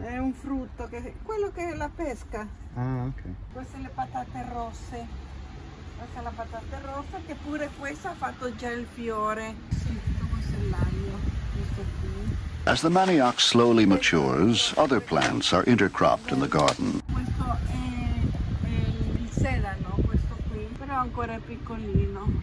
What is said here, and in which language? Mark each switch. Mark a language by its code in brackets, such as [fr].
[it] È un frutto, quello che è la pesca. Ah, ok. Queste le patate rosse. Questa è la patata rossa, che pure questa ha fatto già il fiore. Sì, tutto questo è l'aglio, questo qui. [en] As the manioc slowly matures, other plants are intercropped in the garden. [it] Questo è il sedano, questo qui, però ancora è piccolino.